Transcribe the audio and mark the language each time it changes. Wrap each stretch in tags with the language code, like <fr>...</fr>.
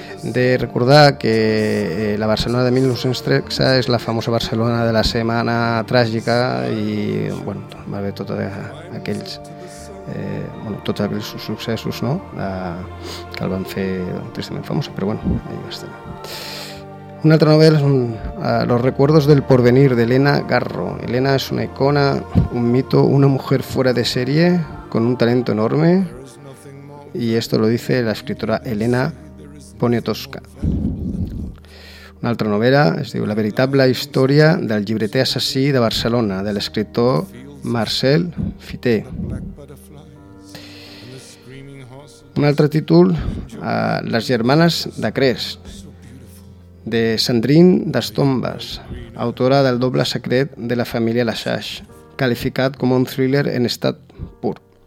<ca>De recordar que la Barcelona de 1913 és la famosa Barcelona de la Setmana Tràgica i bueno, va haver tot aquells bueno, tots aquells successos, no? Que el van fer tristament famosa, però bueno, ahí va estar. Una altra novel·la són Los recuerdos del porvenir, d'Elena Garro.</ca> <es>Elena</es> <ca>és una icona,</ca> <es>un mito, una mujer fuera de serie, con un talento enorme, y esto lo dice la escritora Elena Poniatowska.</es> <ca>Una altra novel·la es diu La veritable història del llibreter assassí de Barcelona, de l'escriptor Marcel Fité. Un altre títol, Les germanes de Crest, de Sandrine Destombes, autora del doble secret de la família Lachaise, qualificat com un thriller en estat pur.</ca>